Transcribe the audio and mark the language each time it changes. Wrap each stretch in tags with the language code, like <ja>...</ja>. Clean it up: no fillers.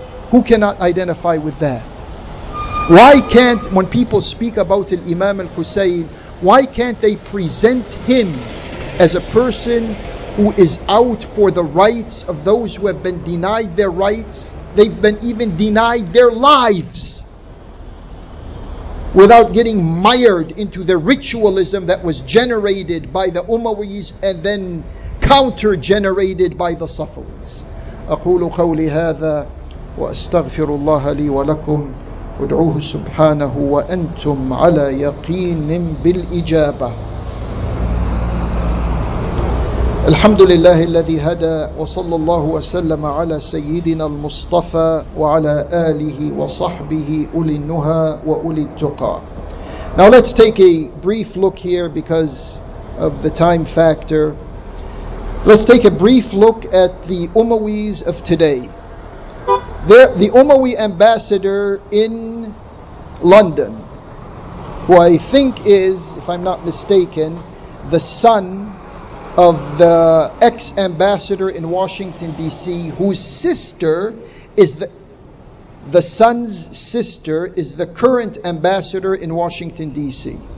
<en>Who cannot identify with that? Why can't, when people speak about Imam al-Hussein, why can't they present him as a person who is out for the rights of those who have been denied their rights? They've been even denied their lives, without getting mired into the ritualism that was generated by the Umayyads and then counter-generated by the Safavids.</en> <ar>أقول قولي هذا وأستغفر الله لي ولكم وادعوه سبحانه وأنتم على يقين بالإجابة الحمد لله الذي هدى وصلى الله وسلم على سيدنا المصطفى وعلى آله وصحبه أولي النهى وأولي التقى.</ar> <en>Now let's take a brief look here because of the time factor. Let's take a brief look at the Umayyads of today. The Umayyad ambassador in London, who I think is, if I'm not mistaken, the son of the ex-ambassador in Washington, D.C., whose sister is the son's sister is the current ambassador in Washington, D.C.</en>